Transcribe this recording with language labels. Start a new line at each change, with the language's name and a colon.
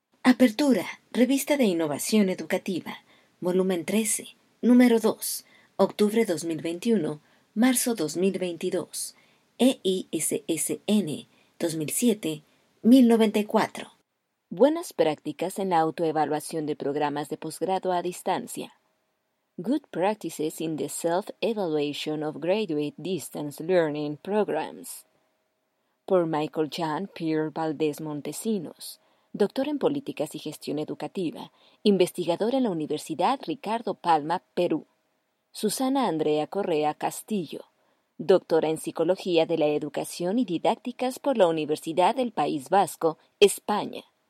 Spanish: Apertura, Revista de Innovación Educativa, volumen 13, número 2, octubre 2021, marzo 2022, EISSN 2007-1094. Buenas prácticas en la autoevaluación de programas de posgrado a distancia.
English: Good practices in the self-evaluation of graduate distance learning programs.
Spanish: Por Michael Jan Pierre Valdés Montesinos, doctor en políticas y gestión educativa, investigador en la Universidad Ricardo Palma, Perú. Susana Andrea Correa Castillo, doctora en psicología de la educación y didácticas por la Universidad del País Vasco, España.